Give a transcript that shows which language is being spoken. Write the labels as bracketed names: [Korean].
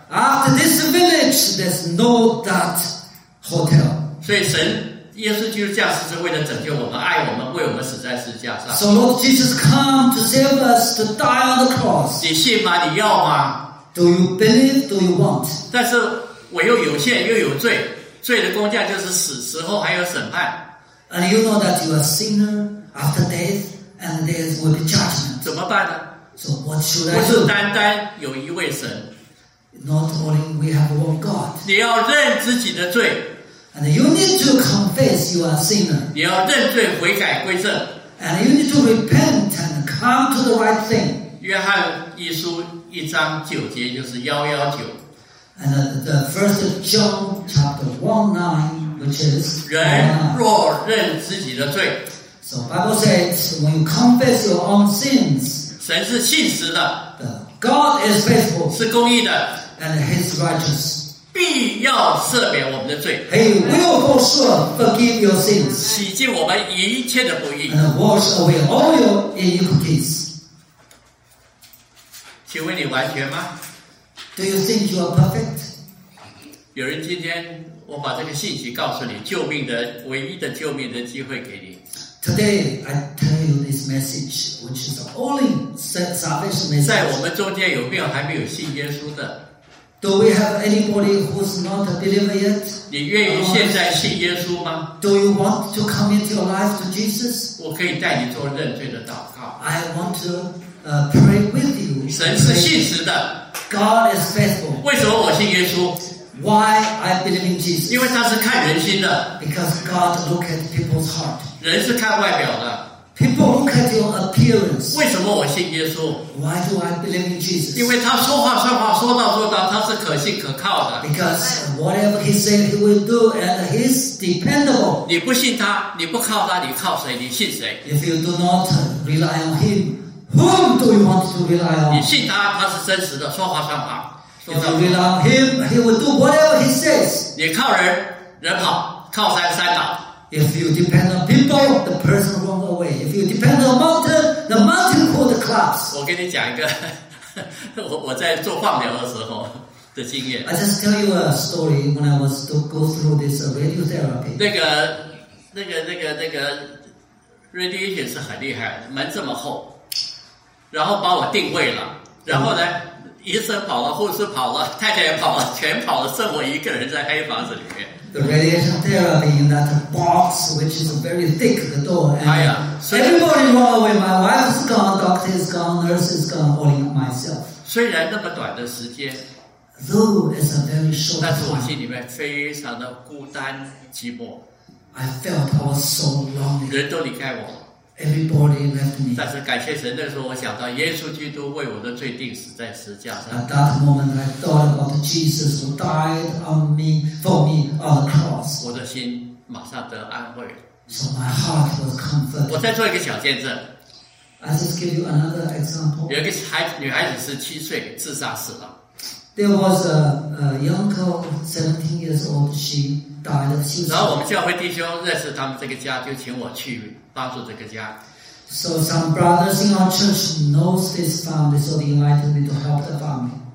[English] After this village, there's no that hotel. [Chinese] 所以神耶稣基督降世是为了拯救我们，爱我们，为我们死在十字架上。 [English] So Lord Jesus come to save us to die on the cross. [Chinese] 你信吗？你要吗 [English] ？Do you believe? Do you want? [Chinese] 但是我又有限，又有罪，罪的工价就是死，死后还有审判。 [English] And you know that you are sinner after death, and there will be judgment. [Chinese] 怎么办呢 [English] ？So what should I do? [Chinese] 不是单单有一位神 [English] ，Not only we have one God. [Chinese] 你要认自己的罪。 [English] And you need to confess you are a sinner. [Chinese] 你要认罪悔改归正。 [English] And you need to repent and come to the right thing. [Chinese] 约翰一书一章九节就是119。 [English] And the first John chapter 19, which is [Chinese] 人若认自己的罪。 [English] So Bible says when you confess your own sins, [Chinese] 神是信实的。 [English] The God is faithful. [Chinese] 是公义的。 [English] And He is righteous. [Chinese] 必要赦免我们的罪 [English] He will for sure forgive your sins [Chinese] 洗净我们一切的不义 [English] And wash away all your iniquities [Chinese] 请问你完全吗 [English] Do you think you are perfect? [Chinese] 有人今天我把这个信息告诉你救命的唯一的救命的机会给你 [English] Today I tell you this message which is the only salvation message [Chinese] 在我们中间有没有还没有信耶稣的 [English] Do we have anybody who's not a believer yet? [Chinese] 你愿意现在信耶稣吗 [English] ？Do you want to commit your life to Jesus? [Chinese] 我可以带你做认罪的祷告。 [English] I want to pray with you. [Chinese] 神是信实的。 [English] God is faithful. [Chinese] 为什么我信耶稣 [English] ？Why I believe in Jesus? [Chinese] 因为他是看人心的。 [English] Because God look at people's heart. [Chinese] 人是看外表的。 [English] People look at your appearance. [Chinese] 为什么我信耶稣 [English] ？Why do I believe in Jesus? [Chinese] 因为他说话算话，说到做到，他是可信可靠的。 [English] Because whatever he said he will do, and he's dependable. [Chinese] 你不信他，你不靠他，你靠谁？你信谁 [English] ？If you do not rely on him, whom do you want to rely on? [Chinese] 你信他，他是真实的，说话算话。 [English] If you rely on him, he will do whatever he says. [Chinese] 你靠人，人跑。靠山山倒。 [English] If you depend on people, the person run away. If you depend on mountain, the mountain could collapse. [Chinese] 我跟你讲一个我在做放疗的时候的经验。 [English] I just tell you a story when I was to go through this radiotherapy. [Chinese] 那个 radiation 是很厉害的，门这么厚，然后把我定位了，然后呢，医生跑了，护士跑了，太太也跑了，全跑了，剩我一个人在黑房子里面。 [English] The radiation therapy in that box, which is a very thick, the door. And everybody run away. My wife is gone, doctor is gone, nurse is gone, only myself. [Chinese] 虽然那么短的时间 [English] ，though it's a very short time, [Chinese] 但是我心里面非常的孤单寂寞。 [English] I felt I was so lonely. [Chinese] 人都离开我。 [English] Everybody left me. [Chinese] 但是感谢神，那时候我想到耶稣基督为我的罪钉死在十字架上。 [English] At that moment, I thought about Jesus who died for me on the cross. [Chinese] 我的心马上得安慰。 [English] So my heart was comforted. [Chinese] 我再做一个小见证。 [English] I just give you another example. [Chinese] 有一个女孩子17岁自杀死了。 [English] There was a young girl, 17 years old. She died of suicide. [Chinese] 然后我们教会弟兄认识他们这个家，就请我去。帮助这个家。 [English] So some brothers in our church knows this family, so they invited me to help the family.